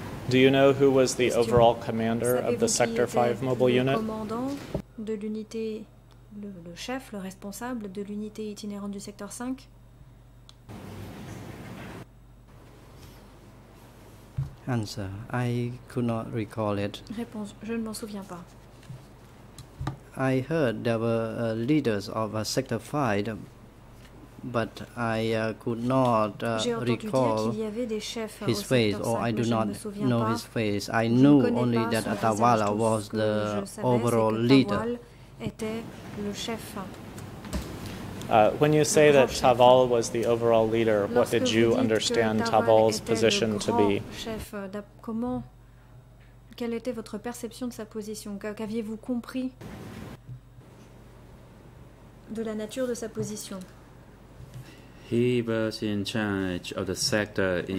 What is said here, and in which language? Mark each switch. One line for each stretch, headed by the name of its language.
English: Do you know who was the overall commander of the Sector 5 mobile unit?
French: Le commandant de l'unité, le chef, le responsable de l'unité itinérante du secteur 5?
English: Answer. I could not recall it.
French: Réponse. Je ne m'en souviens pas.
English: I heard there were leaders of a sector 5, but I could not recall
French: qu'il y avait des chefs
English: his face, or I do not know
French: pas.
English: His face. I knew only that Atawala was the overall leader.
French: Était le chef.
English: When you say that Taval was the overall leader,
French: Lorsque
English: what did you understand Taval's position to be?
French: Chef, comment, quelle était votre perception de sa position? Qu'aviez-vous compris de la nature de sa position?
English: He was in charge of the sector, in